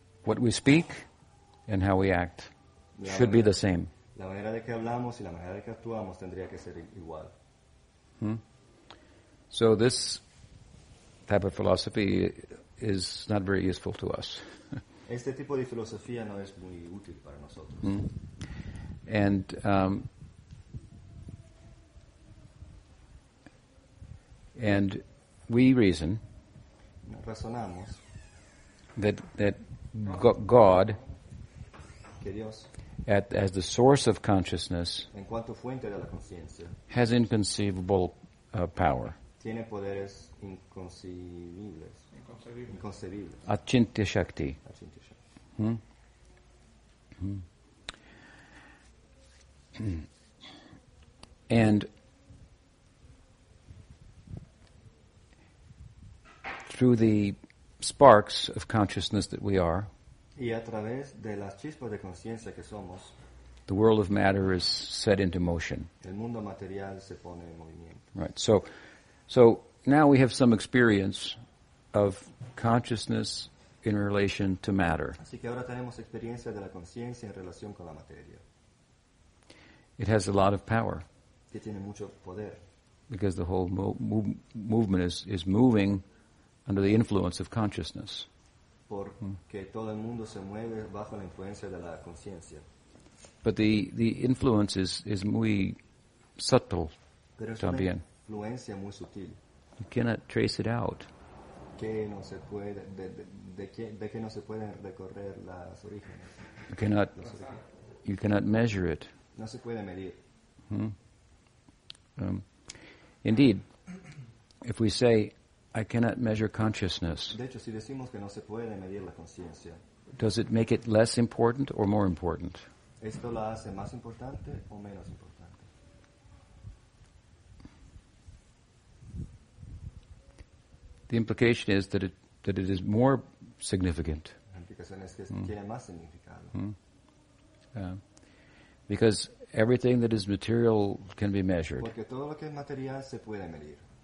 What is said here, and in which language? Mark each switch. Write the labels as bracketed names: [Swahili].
[English] What we speak and how we act should be the same. [Spanish] La manera de que hablamos y la manera de que actuamos tendría que ser igual. [English] So this type of philosophy is not very useful to us. [Spanish] Este tipo de filosofía no es muy útil para nosotros. [English] And and we reason [Spanish] razonamos [English] that God, [Spanish] que Dios, [English] as the source of consciousness, [Spanish] en cuanto fuente de la conciencia, [English] has inconceivable power. [Spanish] Tiene poderes inconcebibles. [Sanskrit] Achintya Shakti. [English] And through the sparks of consciousness that we are, [Spanish] y a través de las chispas de conciencia que somos, [English] the world of matter is set into motion. [Spanish] El mundo material se pone en movimiento. [English] Right. So now we have some experience of consciousness in relation to matter. [Spanish] Así que ahora tenemos experiencia de la conciencia en relación con la materia. [English] It has a lot of power. [Spanish] Que tiene mucho poder. [English] Because the whole movement is moving under the influence of consciousness. [Spanish] Porque todo el mundo se mueve bajo la influencia de la conciencia. [English] But the influence is muy subtle. [Spanish] Pero es también una influencia muy sutil. [English] You cannot trace it out. [Spanish] Que no se puede de que no se pueden recorrer las orígenes. [English] You cannot measure it. [Spanish] No se puede medir. [English] Indeed, if we say I cannot measure consciousness, [Spanish] de hecho, si decimos que no se puede medir la conciencia, [English] does it make it less important or more important? [Spanish] ¿Esto la hace más importante o menos importante? [English] The implication is that it is more significant. [Spanish] La implicación es que tiene más significado. [English] Because everything that is material can be measured. [Spanish] Porque todo lo que es material se puede medir.